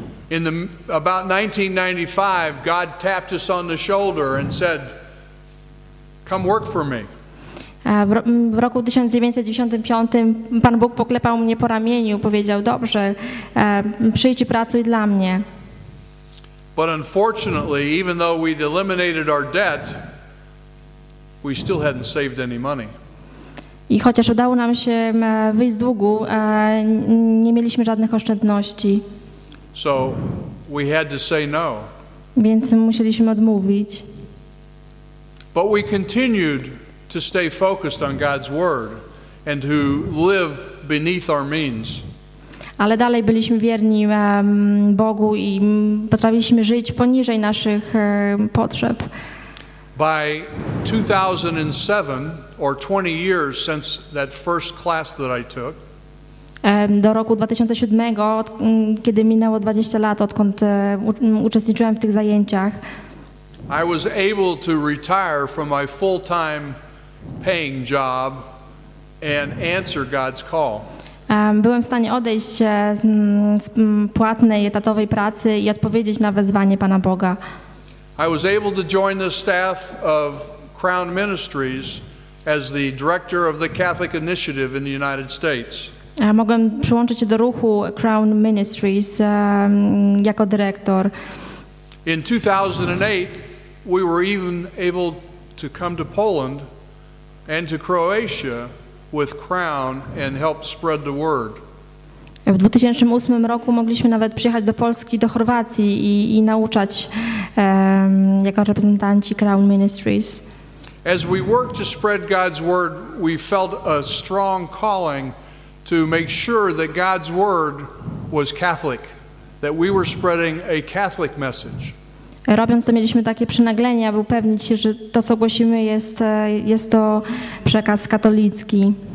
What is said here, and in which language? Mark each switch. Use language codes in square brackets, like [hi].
[en] In the, about 1995, God tapped us on the shoulder and said, "Come work for me." [pl] W roku 1995 Pan Bóg poklepał mnie po ramieniu, powiedział: "Dobrze, przyjdź i pracuj dla mnie." [en] But unfortunately, even though we'd eliminated our debt, we still hadn't saved any money. [pl] I chociaż udało nam się wyjść z długu, nie mieliśmy żadnych oszczędności. [en] So we had to say no. [pl] Więc musieliśmy odmówić. [en] But we continued to stay focused on God's word and to live beneath our means. [pl] Ale dalej byliśmy wierni Bogu i potrafiliśmy żyć poniżej naszych potrzeb. [en] By 2007, or 20 years since that first class that I took. [pl] Do roku 2007, kiedy minęło 20 lat, odkąd uczestniczyłem w tych zajęciach. [en] I was able to retire from my full-time paying job and answer God's call. [pl] Byłem w stanie odejść z płatnej, etatowej pracy i odpowiedzieć na wezwanie Pana Boga. [en] I was able to join the staff of Crown Ministries as the director of the Catholic Initiative in the United States. [pl] Mogłem przyłączyć się do ruchu Crown Ministries jako dyrektor. [en] In 2008, we were even able to come to Poland and to Croatia with Crown and help spread the word. [pl] W 2008 roku mogliśmy nawet przyjechać do Polski, do Chorwacji i nauczać jako reprezentanci Crown Ministries. [en] As we worked to spread God's word, we felt a strong calling to make sure that God's word was Catholic, that we were spreading a Catholic message. [pl] Robiąc to, mieliśmy takie przynaglenie, aby upewnić się, że to, co głosimy, jest to przekaz katolicki.